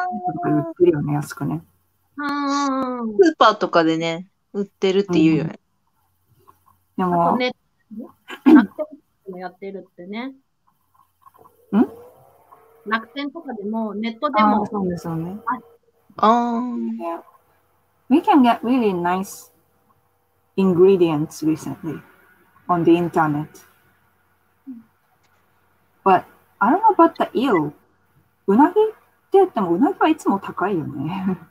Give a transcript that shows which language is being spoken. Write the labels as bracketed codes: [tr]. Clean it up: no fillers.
[ja] るとか売ってるよね、安くね。スーパーとかでね、売ってるっていうよね。うん、でも、ネットでもやってるってね。ん？楽天とかでもネットでも、そうですよね。ああ [en] 、yeah. We can get really nice ingredients recently on the internet. But I don't know about the eel. [ja] うなぎって言ってもうなぎはいつも高いよね。